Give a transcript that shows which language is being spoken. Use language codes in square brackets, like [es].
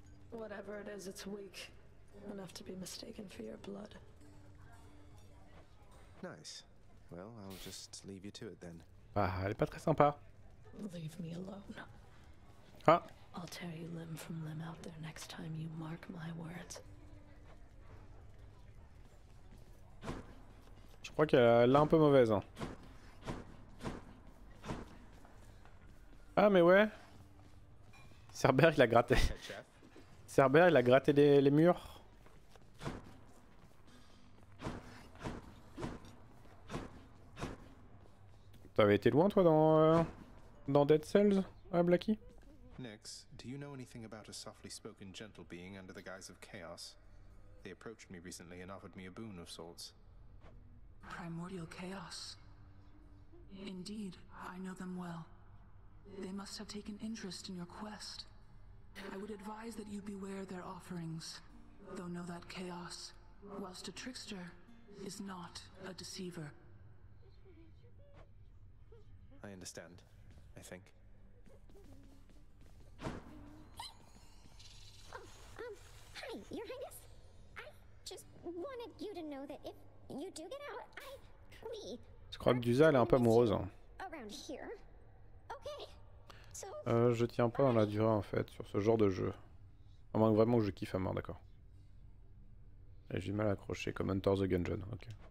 [en] Whatever it is, it's weak. Enough to be mistaken for your blood. Nice. Well, I'll just leave you to it then. [fr] Ah, elle est pas très sympa. [en] Leave me alone. Ah. I'll tear you limb from limb out there next time, you mark my words. [fr] Je crois qu'elle est là un peu mauvaise. Ah mais ouais. Cerber il a gratté. Cerber il a gratté les murs. T'avais été loin toi dans dans Dead Cells, ah, Blackie. [en] Nix, do you know anything about a softly spoken gentle being under the guise of chaos? They approached me recently and offered me a boon of sorts. Primordial chaos. Indeed, I know them well. They must have taken interest in your quest. I would advise that you beware their offerings, though know that chaos, whilst a trickster, is not a deceiver. I understand, I think. Hi, Your Highness. I just wanted you to know that if you do get out, I... We... [fr] Je crois que Duza, elle est un peu amoureuse. [en] Around here. Okay. [fr] Je tiens pas dans la durée en fait sur ce genre de jeu. À moins que vraiment que je kiffe à mort, d'accord. Et j'ai du mal à accrocher comme Hunter the Gungeon, ok.